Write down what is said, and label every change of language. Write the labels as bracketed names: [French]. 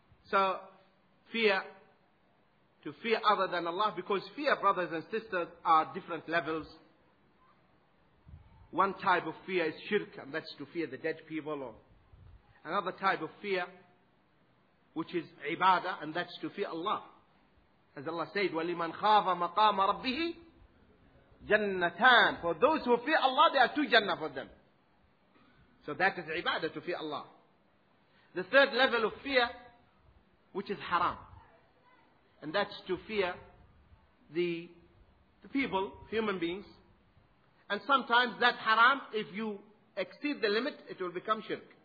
[English] So, fear. To fear other than Allah. Because fear, brothers and sisters, are different levels. One type of fear is shirk, and that's to fear the dead people. Or another type of fear, which is ibadah, and that's to fear Allah. As Allah said, [Arabic] وَلِمَنْ خَافَ مَقَامَ رَبِّهِ جَنَّتَانَ. [English] For those who fear Allah, there are two jannah for them. So that is ibadah, to fear Allah. The third level of fear, which is haram. And that's to fear the people, human beings. And sometimes that haram, if you exceed the limit, it will become shirk.